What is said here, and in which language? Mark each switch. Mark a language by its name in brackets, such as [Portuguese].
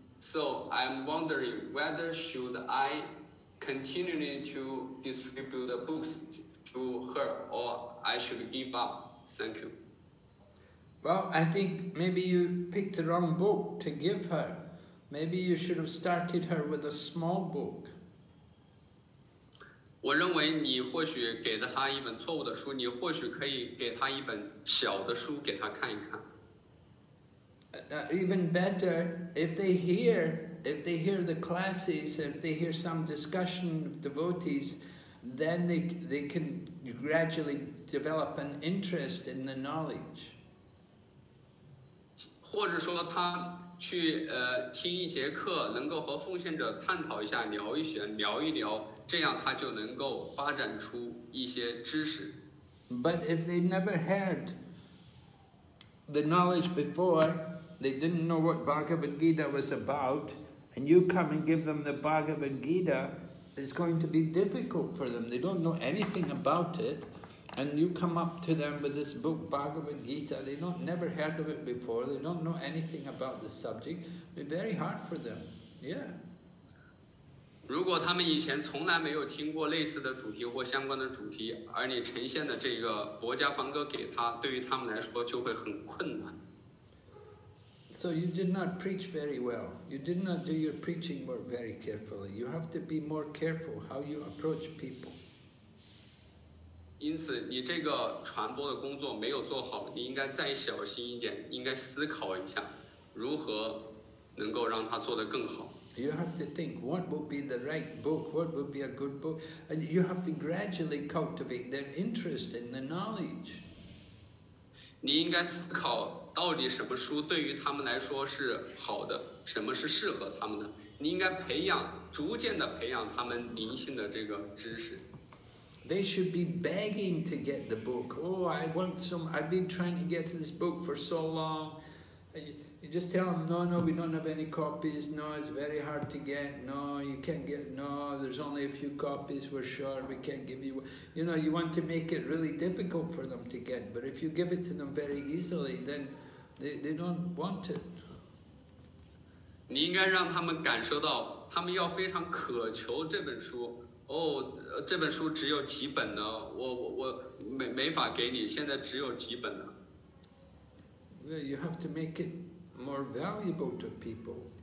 [English] So I'm wondering whether should I continue to distribute the books to her or I should give up. Thank you. Well, I think maybe you picked the wrong book to give her. Maybe you should have started her with a small book. [Chinese] 我认为你或许给了她一本错误的书，你或许可以给她一本小的书给她看一看。 [English] Even better, if they hear the classes, if they hear some discussion of devotees, then they can gradually develop an interest in the knowledge. [Chinese] 或者说她去听一节课，能够和奉献者探讨一下，聊一学，聊一聊，这样他就能够发展出一些知识。 [English] But if they never had the knowledge before, they didn't know what Bhagavad Gita was about, and you come and give them the Bhagavad Gita, it's going to be difficult for them. They don't know anything about it, and you come up to them with this book, Bhagavad Gita, they've not never heard of it before, they don't know anything about the subject, it'll be very hard for them, yeah. [Chinese] 如果他们以前从来没有听过类似的主题或相关的主题，而你呈现的这个博家梵歌给他，对于他们来说就会很困难。 [English] So you did not preach very well. You did not do your preaching work very carefully. You have to be more careful how you approach people. [Chinese] 因此你这个传播的工作没有做好，你应该再小心一点，应该思考一下如何能够让它做得更好。 [English] You have to think what would be the right book, what would be a good book, and you have to gradually cultivate their interest in the knowledge. [Chinese] 你应该思考到底什么书对于他们来说是好的，什么是适合他们的，你应该培养，逐渐地培养他们灵性的这个知识。 [English] They should be begging to get the book. Oh, I want some, I've been trying to get to this book for so long. You just tell them, no, no, we don't have any copies. No, it's very hard to get. No, you can't get, no, there's only a few copies. We're sure we can't give you. You know, you want to make it really difficult for them to get. But if you give it to them very easily, then they don't want it. [Chinese] 你应该让他们感受到他们要非常渴求这本书。哦，这本书只有几本呢，我没法给你，现在只有几本呢。 [English] Well, you have to make it more valuable to people.